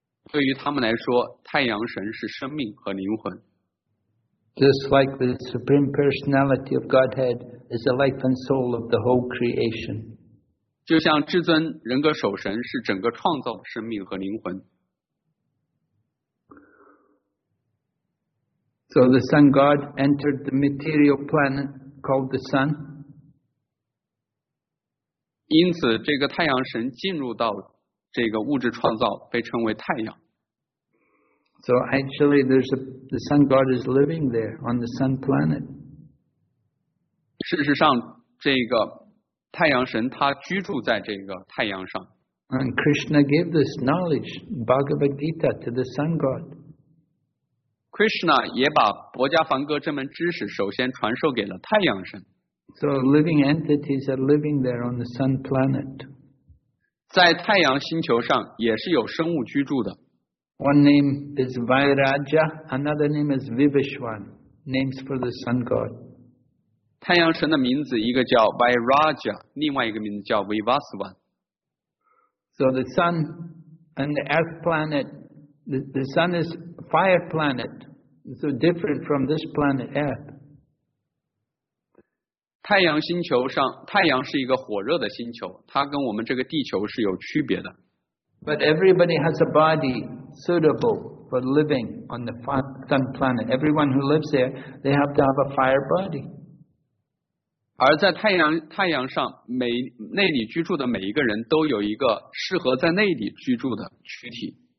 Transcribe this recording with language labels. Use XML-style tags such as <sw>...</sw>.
<zh>对于他们来说, 太阳神是生命和灵魂。</zh> <en>Just like the Supreme Personality of Godhead is the life and soul of the whole creation.</en> <zh>就像至尊人格守神是整个创造的生命和灵魂。</zh> <en>So the sun god entered the material planet called the sun.</en> <zh>因此这个太阳神进入到这个物质创造被称为太阳。</zh> <en>So actually the sun god is living there on the sun planet.</en> <zh>事实上这个太阳神他居住在这个太阳上。</zh> <en>And Krishna gave this knowledge, Bhagavad Gita, to the sun god.</en> <zh>Krishna 也把薄伽梵歌这门知识首先传授给了太阳神。</zh> <en>So living entities are living there on the sun planet.</en> <zh>在太阳星球上也是有生物居住的。</zh> <en>One name is Vairaja, another name is Vivishwan, names for the sun god.</en> <zh>太阳神的名字一个叫 Vairaja, 另外一个名字叫 Vivaswan。</zh> <en>So the sun and the earth planet, the sun is fire planet, so different from this planet earth.</en> <zh>太阳星球上，太阳是一个火热的星球，它跟我们这个地球是有区别的。</zh> <en>But everybody has a body suitable for living on the sun planet. Everyone who lives there, they have to have a fire body.</en> <zh>而在太阳上每那里居住的每一个人都有一个适合在那里居住的躯体。</zh>